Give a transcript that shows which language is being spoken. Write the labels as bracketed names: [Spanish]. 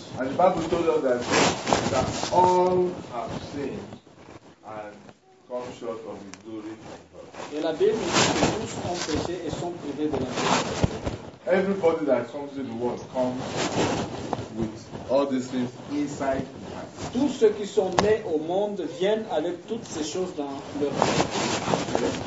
[English] And the Bible told us that all have sinned and come short of the glory of God. [French] Et la Bible dit que tous ont péché et sont privés de la vie. [English] Everybody that comes to the world comes with all these things inside. [French] Tous ceux qui sont nés au monde viennent avec toutes ces choses dans leur cœur.